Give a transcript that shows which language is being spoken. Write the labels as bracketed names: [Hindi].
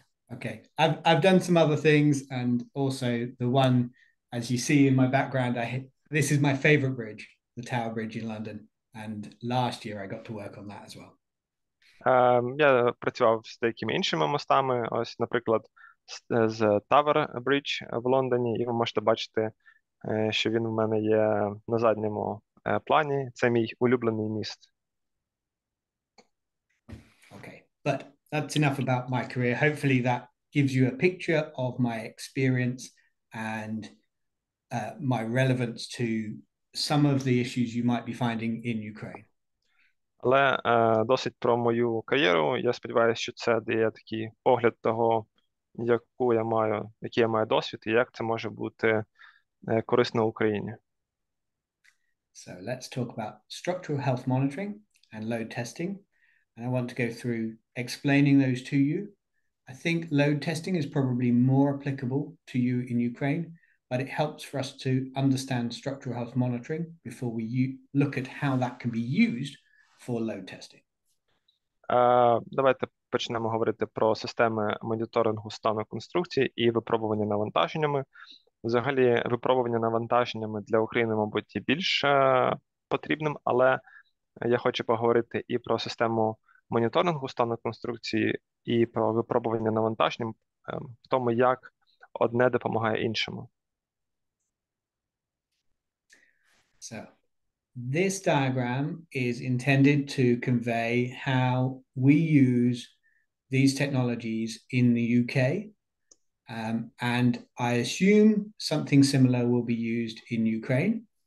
[English] Okay, I've done some other things, and also the one, as you see in my background, this is my favorite bridge, the Tower Bridge in London, and last year I got to work on that as well. [Ukrainian] Я працював з деякими іншими мостами, ось, наприклад, з Tower Bridge в Лондоні, і ви можете бачити, що він в мене є на задньому плані. Це мій улюблений міст. [English] Okay, but that's enough about my career. Hopefully that gives you a picture of my experience and my relevance to some of the issues you might be finding in Ukraine. [Ukrainian] Але досить про мою кар'єру. Я сподіваюся, що це дає такий погляд того, який я маю досвід і як це може бути корисно Україні. [English] So let's talk about structural health monitoring and load testing. And I want to go through explaining those to you. I think load testing is probably more applicable to you in Ukraine, but it helps for us to understand structural health monitoring before we look at how that can be used for load testing. [Ukrainian] Давайте почнемо говорити про системи моніторингу стану конструкції і випробування навантаженнями. Взагалі, випробування навантаженнями для України, мабуть, є більш потрібним, але я хочу поговорити і про систему моніторингу стану конструкції, і про випробування навантаженням, в тому, як одне допомагає іншому. [English] So, this diagram is intended to convey how we use these technologies in the UK. And I assume something similar will be used in Ukraine.